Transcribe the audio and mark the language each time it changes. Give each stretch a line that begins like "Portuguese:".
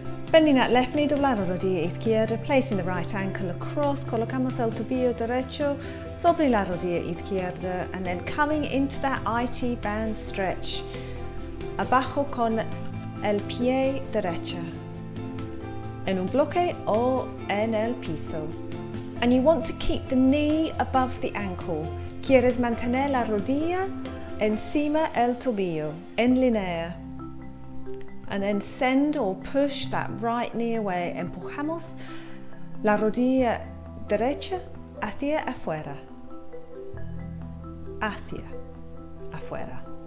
English: Bending that left knee,
Spanish: doblar la rodilla izquierda,
English: placing the right ankle across,
Spanish: colocamos el tobillo derecho sobre la rodilla izquierda,
English: and then coming into that IT band stretch,
Spanish: abajo con el pie derecho, en un bloque o en el piso.
English: And you want to keep the knee above the ankle.
Spanish: Quieres mantener la rodilla encima el tobillo, en línea.
English: And then send or push that right knee away.
Spanish: Empujamos la rodilla derecha hacia afuera. Hacia afuera.